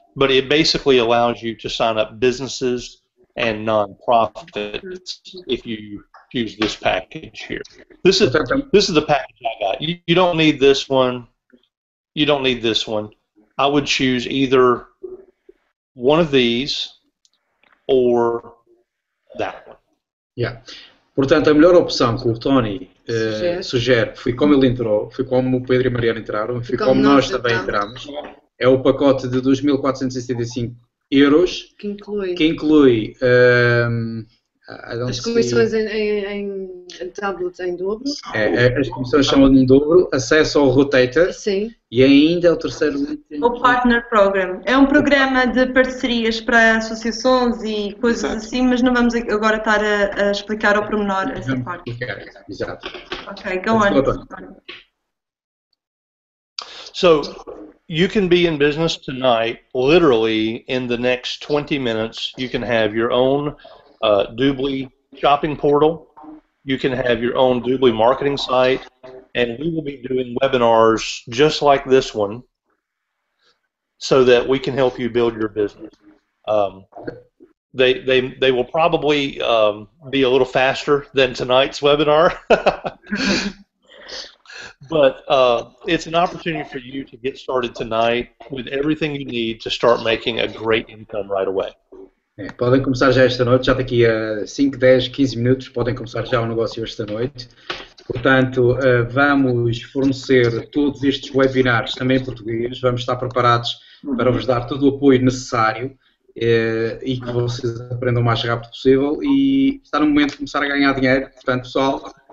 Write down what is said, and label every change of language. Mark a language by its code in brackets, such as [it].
[en] But it basically allows you to sign up businesses and nonprofits if you choose this package here. This is the package I got. You don't need this one. You don't need this one. I would choose either one of these or that one. Yeah. [pt] Portanto, a melhor opção que o Tony sugere, foi como ele entrou, foi como o Pedro e a Mariana entraram, foi como nós também entramos, é o pacote de 2.475 euros, que inclui as comissões em tablet em dobro. As comissões são em dobro, acesso ao rotator. Sim. E ainda é o terceiro item. O Partner Program. É um programa de parcerias para associações e coisas. Exato. Assim, mas não vamos agora estar a explicar ao pormenor essa parte. Exato. [en] Ok, go on. So, you can be in business tonight, literally, in the next 20 minutes, you can have your own Doobly shopping portal, you can have your own Doobly marketing site, and we will be doing webinars just like this one so that we can help you build your business. They will probably be a little faster than tonight's webinar, But it's an opportunity for you to get started tonight with everything you need to start making a great income right away. [pt] É, podem começar já esta noite, já daqui a 5, 10, 15 minutos podem começar já o negócio esta noite. Portanto, vamos fornecer todos estes webinars também em português, vamos estar preparados para vos dar todo o apoio necessário e que vocês aprendam o mais rápido possível e está no momento de começar a ganhar dinheiro, portanto, pessoal...